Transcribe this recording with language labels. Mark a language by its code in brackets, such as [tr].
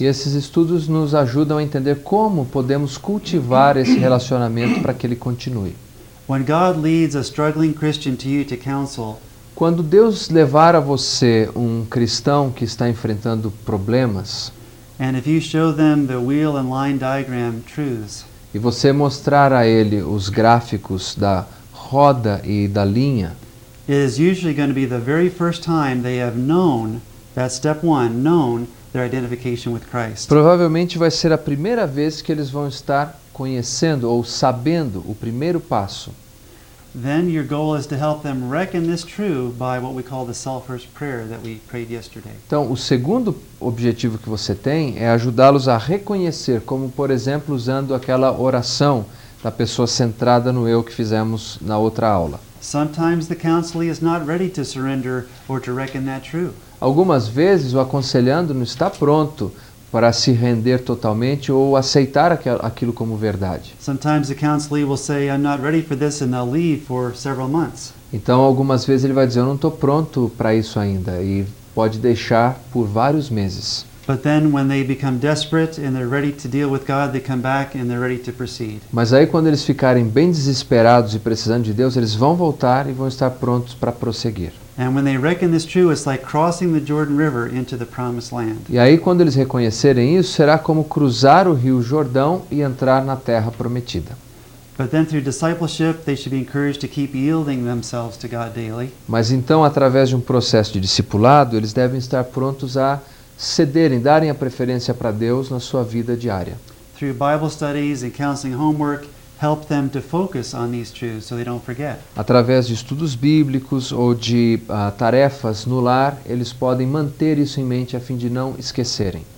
[pt] E esses estudos nos ajudam a entender como podemos cultivar esse relacionamento para que ele continue. [en] When God leads a struggling Christian to you to counsel, [pt] quando Deus levar a você um cristão que está enfrentando problemas, [en] and if you show them the wheel and line diagram truths, [pt] e você mostrar a ele os gráficos da roda e da linha, [en] it is usually going to be the very first time they have known, that step one, known their identification with Christ. [pt] Provavelmente vai ser a primeira vez que eles vão estar conhecendo ou sabendo o primeiro passo. [en] Then your goal is to help them reckon this true by what we call the selfless prayer that we prayed yesterday. [pt] Então, o segundo objetivo que você tem é ajudá-los a reconhecer, como por exemplo, usando aquela oração da pessoa centrada no eu que fizemos na outra aula. [en] Sometimes the counselee is not ready to surrender or to reckon that true. [pt] Algumas vezes o aconselhando não está pronto para se render totalmente ou aceitar aquilo como verdade. [en] Sometimes the counselee will say, I'm not ready for this, and they'll leave for several months. [pt] Então algumas vezes ele vai dizer, eu não estou pronto para isso ainda, e pode deixar por vários meses. [en] But then when they become desperate and they're ready to deal with God, they come back and they're ready to proceed. [pt] Mas aí quando eles ficarem bem desesperados e precisando de Deus, eles vão voltar e vão estar prontos para prosseguir. [en] And when they reckon this true, it's like crossing the Jordan River into the promised land. [pt] E aí quando eles reconhecerem isso, será como cruzar o Rio Jordão e entrar na terra prometida. [en] But then through discipleship, they should be encouraged to keep yielding themselves to God daily. [pt] Mas então através de um processo de discipulado, eles devem estar prontos a cederem, darem a preferência para Deus na sua vida diária. [en] Through Bible studies and counseling homework, help them to focus on these truths so they don't forget. [pt] Através de estudos bíblicos ou de tarefas no lar, eles podem manter isso em mente a fim de não esquecerem.